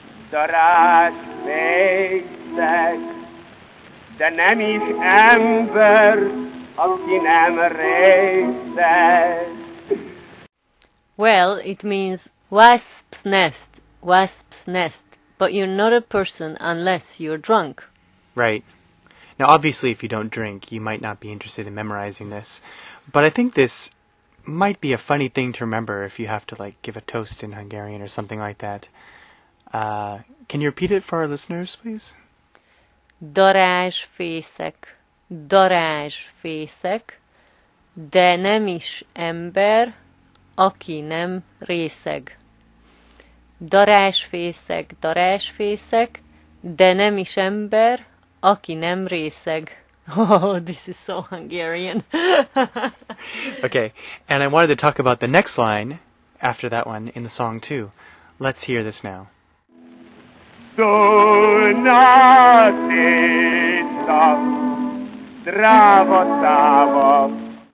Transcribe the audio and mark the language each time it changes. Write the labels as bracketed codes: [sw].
[hu] Darák fénynek, de nem is ember, aki nem részeg. [en] Well, it means wasp's nest, but you're not a person unless you're drunk. Right. Now, obviously, if you don't drink, you might not be interested in memorizing this, but I think this might be a funny thing to remember if you have to, like, give a toast in Hungarian or something like that. Can you repeat it for our listeners, please? [hu] Darázsfészek, de nem is ember, aki nem részeg. darásfészek, de nem is ember, aki nem részeg. [en] Oh, this is so Hungarian. Okay, and I wanted to talk about the next line after that one in the song too. Let's hear this now. Do not stop, drávo távo.